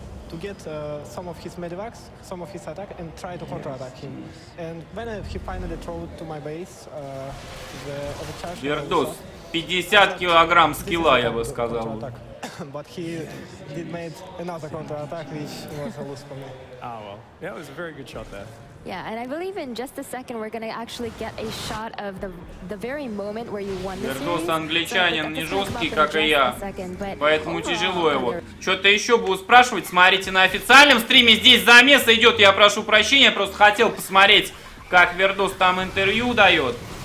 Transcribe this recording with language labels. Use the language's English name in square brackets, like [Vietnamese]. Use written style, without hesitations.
[English] To get some of his medivacs, some of his attack, and try to counterattack him. And when he finally throws to my base, the overcharge. [Russian] Вердос, 50 килограмм скилла, я бы сказал. [English] But he did made another counterattack, which was a loss for me. Ah well, yeah, it was a very good shot there. Yeah, and I believe in just a second we're gonna actually get a shot of the very moment where you won the series. [Russian] Вердос англичанин не жесткий, как и я, поэтому тяжело его. Что-то еще буду спрашивать, смотрите на официальном стриме, здесь замес идет, я прошу прощения, просто хотел посмотреть, как Вердос там интервью дает.